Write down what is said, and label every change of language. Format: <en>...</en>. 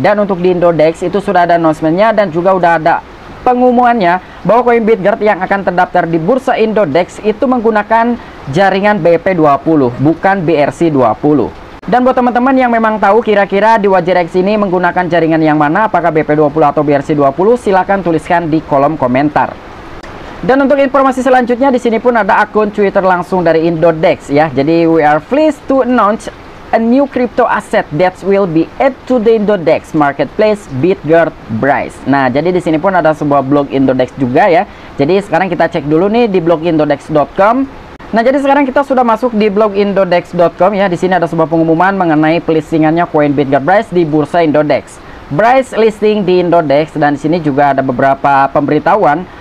<id>Dan untuk di Indodex itu sudah ada announcement-nya dan juga sudah ada pengumumannya bahwa koin Bitguard yang akan terdaftar di bursa Indodex itu menggunakan jaringan BP20, bukan BRC20. Dan buat teman-teman yang memang tahu kira-kira di WagerX ini menggunakan jaringan yang mana, apakah BP20 atau BRC20, silakan tuliskan di kolom komentar. Dan untuk informasi selanjutnya di sini pun ada akun Twitter langsung dari Indodex ya.</id> <en>Jadi we are pleased to announce a new crypto asset that will be added to the Indodex marketplace, Bitguard Bryce.</en> <id>Nah, jadi di sini pun ada sebuah blog Indodex juga ya. Jadi sekarang kita cek dulu nih di blogindodex.com. Nah, jadi sekarang kita sudah masuk di blogindodex.com ya. Di sini ada sebuah pengumuman mengenai pelistingannya koin Bitguard Bryce di bursa Indodex. Bryce listing di Indodex, dan di sini juga ada beberapa pemberitahuan.</id>